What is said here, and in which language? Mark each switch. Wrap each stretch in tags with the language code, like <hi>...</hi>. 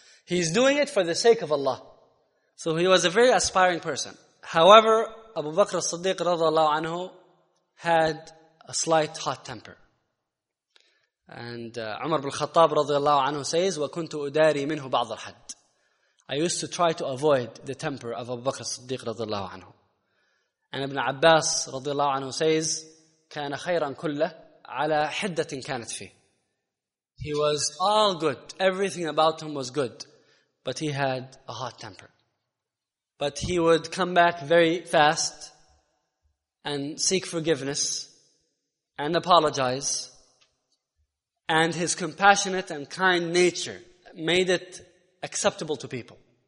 <en>He's doing it for the sake of Allah. So he was a very aspiring person. However, Abu Bakr as-Siddiq radiallahu anhu had a slight hot temper. And Umar ibn al-Khattab radiallahu anhu says,</en> <ar>وَكُنْتُ أُدَارِي مِنْهُ بَعْضَ الْحَدِّ.</ar> <en>I used to try to avoid the temper of Abu Bakr as-Siddiq radiallahu anhu. And Ibn Abbas radiallahu anhu says,</en> <ar>كان خيراً كله على حدة كانت فيه.</ar> <en>He was all good. Everything about him was good. But he had a hot temper. But he would come back very fast and seek forgiveness and apologize. And his compassionate and kind nature made it acceptable to people.</en>